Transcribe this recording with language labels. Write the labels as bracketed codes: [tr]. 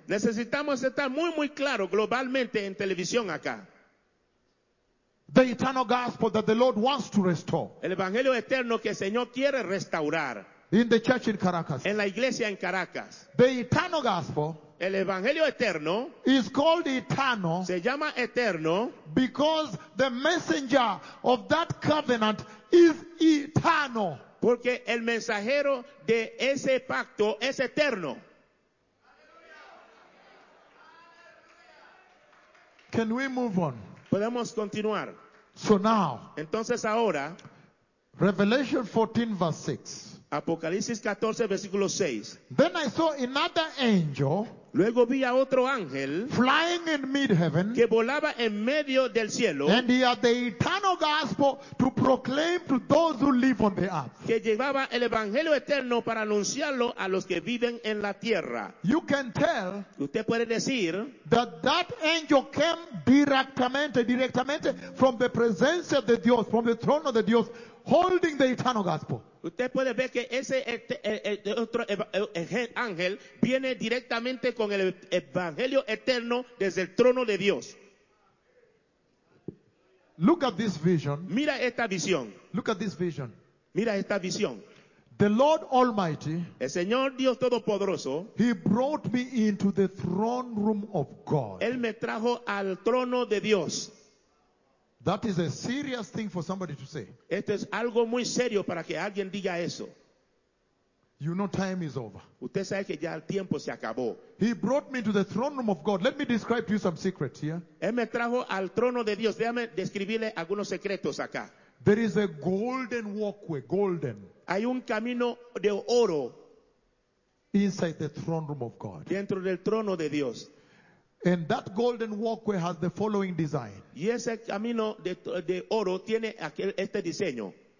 [es] Necesitamos estar muy, muy claro globalmente en televisión acá. [en] The eternal gospel that the Lord wants to restore. [es] El evangelio eterno que el Señor quiere restaurar. [en] In the church in Caracas. [es] En la iglesia en Caracas. [en] The eternal gospel. [es] El evangelio eterno [en] is called eternal. [es] Se llama eterno [en] because the messenger of that covenant is eternal. [es] Porque el mensajero de ese pacto es eterno. [en] Can we move on? [es] Podemos continuar. [en] So now, [es] entonces ahora, [en] Revelation 14 verse 6. [es] Apocalipsis 14 versículo 6. [en] Then I saw another angel. [es] Luego vi a otro ángel [en] flying in mid heaven, [es] que volaba en medio del cielo, [en] and he had the eternal gospel to proclaim to those who live on the earth. [es] Que llevaba el evangelio eterno para anunciarlo a los que viven en la tierra. [en] You can tell, [es] usted puede decir, [en] that that angel came directamente from the [es] presencia de Dios, [en] from the throne of the Dios, holding the eternal gospel. [es] Usted puede ver que ese otro ángel viene directamente con el evangelio eterno desde el trono de Dios. [en] Look at this vision. [es] Mira esta visión. [en] Look at this vision. [es] Mira esta visión. [en] The Lord Almighty, [es] el Señor Dios Todopoderoso, [en] he brought me into the throne room of God. [es] Él me trajo al trono de Dios. [en] That is a serious thing for somebody to say. [es] Esto es algo muy serio para que alguien diga eso. [en] You know, time is over. [es] Usted sabe que ya el tiempo se acabó. [en] He brought me to the throne room of God. Let me describe to you some secrets here. [es] Él me trajo al trono de Dios. Déjame describirle algunos secretos acá. [en] There is a golden walkway, golden. [es] Hay un camino de oro. [en] Inside the throne room of God. [es] Dentro del trono de Dios. [en] And that golden walkway has the following design. [es] Y ese camino de oro tiene aquel, este diseño.